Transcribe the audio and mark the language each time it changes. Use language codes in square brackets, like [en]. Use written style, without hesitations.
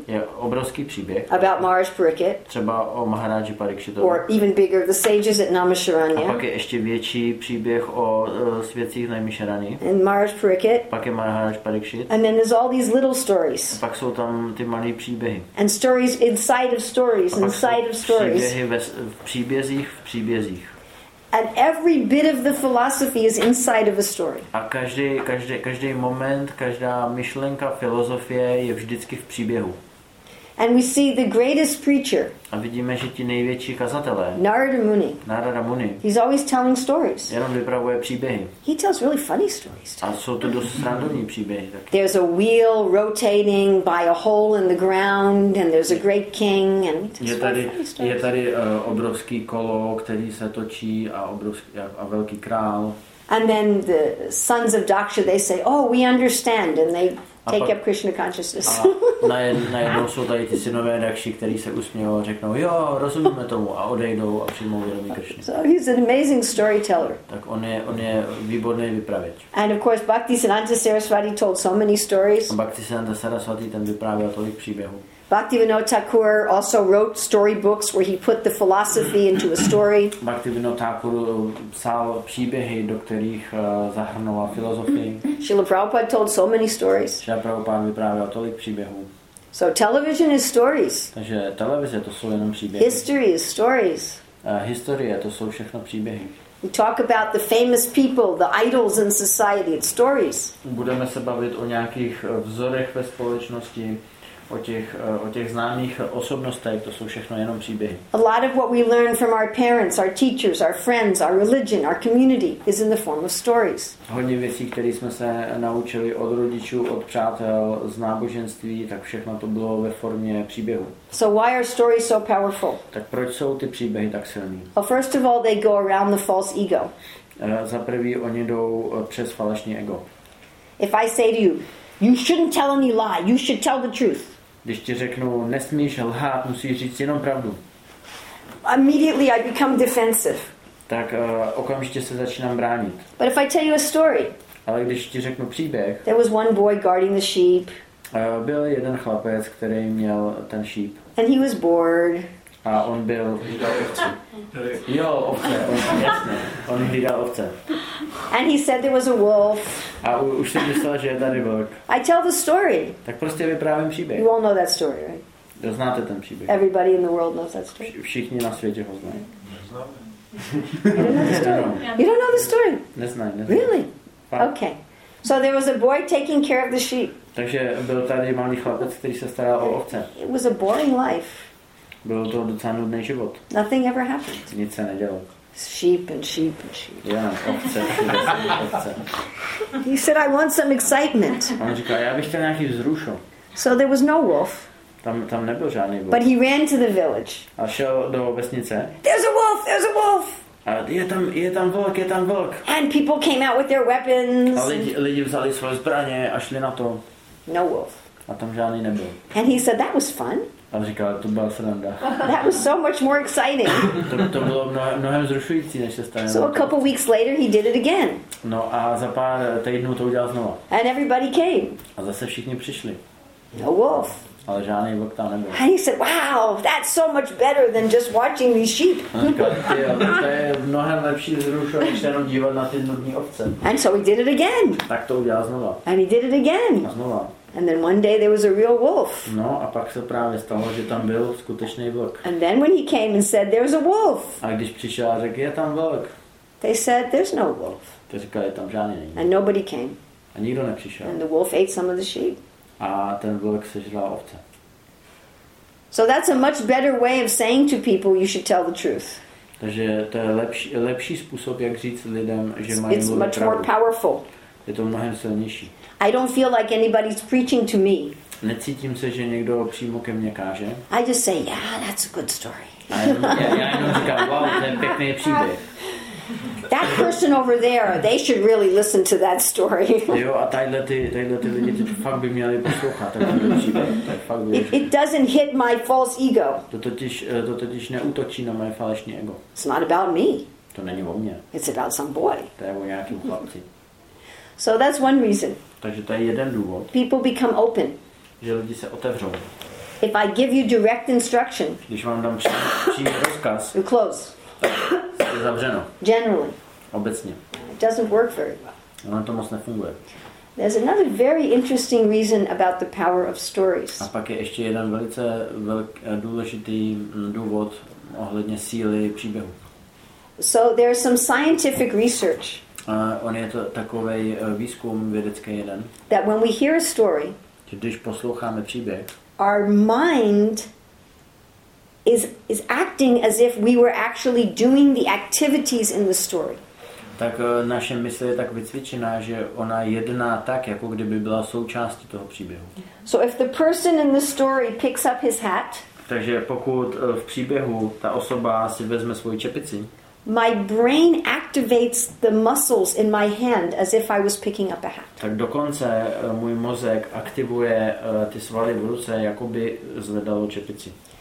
[cs] Je obrovský příběh. [en] About Maharaj Parikshit. [cs] Třeba o Maharaji Parikshitovi. [en] Or even bigger, the sages at Namisharanya. [cs] A pak je ještě větší příběh o svěcích na Namisharani. [en] And Maharaj Parikshit. [cs] Pak je Maharaj Parikshit. [en] And then there's all these little stories. [cs] A pak jsou tam ty malé příběhy. [en] And stories inside of stories, inside of stories. [cs] V příbězích. [en] And every bit of the philosophy is inside of a story. [cs] A každý moment, každá myšlenka filozofie je vždycky v příběhu. [en] And we see the greatest preacher. [cs] A vidíme, že ti největší kazatelé. [en] Narada Muni. He's always telling stories. [cs] Jenom vypravuje příběhy. [en] He tells really funny stories. [cs] A jsou to dost srandovní příběhy. [en] There's a wheel rotating by a hole in the ground and there's a great king and [cs] Je tady obrovský kolo, který se točí a velký král. [en] And then the sons of Daksha, they say, "Oh, we understand," and they take up Krishna consciousness. [cs] Najednou jsou tady ty synové Dakši, který se usmějou a řeknou, jo, rozumíme tomu, a odejdou a přijmou vědomí Krishna. [en] So he's an amazing storyteller. [cs] Tak on je výborný vypravěč. [en] And of course Bhaktisiddhanta Saraswati told so many stories. [cs] Bhaktisiddhanta Saraswati ten vyprávěl tolik příběhů. [en] Bhaktivinoda Thakur also wrote story books where he put the philosophy into a story. [cs] Bhaktivinoda Thakur psal příběhy, do kterých zahrnoval filozofii. [en] Srila Prabhupada told so many stories. [cs] Srila Prabhupada vyprávěl tolik příběhů. [en] So television is stories. [cs] Takže televize to jsou jenom příběhy. [en] History is stories. [cs] Historie to jsou všechno příběhy. [en] We talk about the famous people, the idols in society, it's stories. [cs] Budeme se bavit o nějakých vzorech ve společnosti. O těch známých osobnostech, to jsou všechno jenom příběhy. [en] A lot of what we learn from our parents, our teachers, our friends, our religion, our community is in the form of stories. [cs] Hodně věcí, které jsme se naučili od rodičů, od přátel, z náboženství, tak všechno to bylo ve formě příběhu. [en] So why are stories so powerful? [cs] Tak proč jsou ty příběhy tak silný? [en] Well, first of all, they go around the false ego. [cs] Za prvý, oni jdou přes falešný ego. [en] If I say to you, you shouldn't tell any lie. You should tell the truth. [cs] Když ti řeknu, nesmíš lhát, musíš říct jenom pravdu. [en] Immediately I become defensive. [cs] Tak okamžitě se začínám bránit. [en] But if I tell you a story. [cs] Ale když ti řeknu příběh. [en] There was one boy guarding the sheep. [cs] Byl jeden chlapec, který měl ten sheep. [en] And he was bored. [cs] A on byl jo, ovce, jasně, on hlídal ovce. [en] And he said there was a wolf. [cs] A už si myslel, že je tady vlk. [en] I tell the story. [cs] Tak prostě vyprávím příběh. [en] You all know that story, right? [cs] Jo, znáte ten příběh. [en] Everybody in the world knows that story. [cs] Všichni na světě ho znají. [en] You don't know the story? [cs] Neznám. [en] Really? Okay. So there was a boy taking care of the sheep. [cs] Takže byl tady malý chlapec, který se staral o ovce. [en] It was a boring life. [cs] Bylo to docela nudný život. [en] Nothing ever happened. [cs] Nic se nedělo. [en] Sheep and sheep and sheep. [cs] Yeah, ovce, ovce. [en] He said, "I want some excitement." [cs] On říkal, já bych chtěl nějaký vzrušo. [en] So there was no wolf. [cs] Tam nebyl žádný wolf. [en] But he ran to the village. [cs] A šel do vesnice. [en] There's a wolf! There's a wolf! [cs] A je tam vlk, je tam vlk. [en] And people came out with their weapons. [cs] A lidi vzali svoje zbraně a šli na to. [en] No wolf. [cs] A tam žádný nebyl. [en] And he said, "That was fun." [cs] A říkal, to byla sranda. [en] That was so much more exciting. [cs] To bylo mnohem vzrušující, než se stane. [en] So a couple weeks later he did it again. [cs] No a za pár týdnů to udělal znova. [en] And everybody came. [cs] A zase všichni přišli. [en] No wolf. [cs] Ale žádný vlk tam nebyl. [en] And he said, wow, that's so much better than just watching these sheep. [cs] A říkal, to je mnohem lepší vzrušo, než jenom dívat na ty nudní ovce. [en] And so he did it again. [cs] Tak to udělal znova. [en] And he did it again. [cs] A znova. [en] And then one day there was a real wolf. [cs] No, a pak se právě stalo, že tam byl skutečný vlk. [en] And then when he came and said, "There's a wolf." [cs] A když přišel a řekl, je tam vlk. [en] They said, "There's no wolf." [cs] Tak říkali, je tam žádný není. [en] And nobody came. [cs] A nikdo nepřišel. [en] And the wolf ate some of the sheep. [cs] A ten vlk sežral ovce. [en] So that's a much better way of saying to people, you should tell the truth. [cs] Takže to je lepší způsob, jak říct lidem, že mají mluvit [en] pravdu. It's much [cs] pravdu. [en] More powerful. [cs] Je to mnohem silnější. [en] I don't feel like anybody's preaching to me. [cs] Necítím se, že někdo přímo ke mně káže. [en] I just say, yeah, that's a good story. [cs] Já jenom říkám, wow, to je pěkný příběh. [en] That person over there, they should really listen to that story. [cs] Jo, a tadyhle ty lidi to fakt by měli poslouchat. Tak fakt by měli. [en] It doesn't hit my false ego. [cs] To totiž neútočí na moje falešné ego. [en] It's not about me. [cs] To není o mě. [en] It's about some boy. [cs] To je o nějakým chlapci. [en] So that's one reason. [cs] Takže to je jeden důvod. [en] People become open. [cs] Že lidi se otevřou. [en] If I give you direct instruction. [cs] Když vám dám přímý rozkaz. [en] You close. [cs] Je zavřeno. [en] Generally. [cs] Obecně. [en] It doesn't work very well. [cs] Ono to moc nefunguje. [en] There's another very interesting reason about the power of stories. [cs] A pak je ještě jeden velice důležitý důvod ohledně síly příběhu. [en] So there's some scientific research. [cs] On je to takovej výzkum vědecký jeden. [en] That when we hear a story, [cs] když posloucháme příběh, [en] our mind is acting as if we were actually doing the activities in the story. [cs] Tak naše mysl je tak vycvičená, že ona jedná tak, jako kdyby byla součástí toho příběhu. [en] So if the person in the story picks up his hat, [cs] takže pokud v příběhu ta osoba si vezme svoji čepici, [en] my brain activates the muscles in my hand as if I was picking up a hat. [cs] Tak dokonce můj mozek aktivuje ty svaly v ruce, jako by zvedal čepici.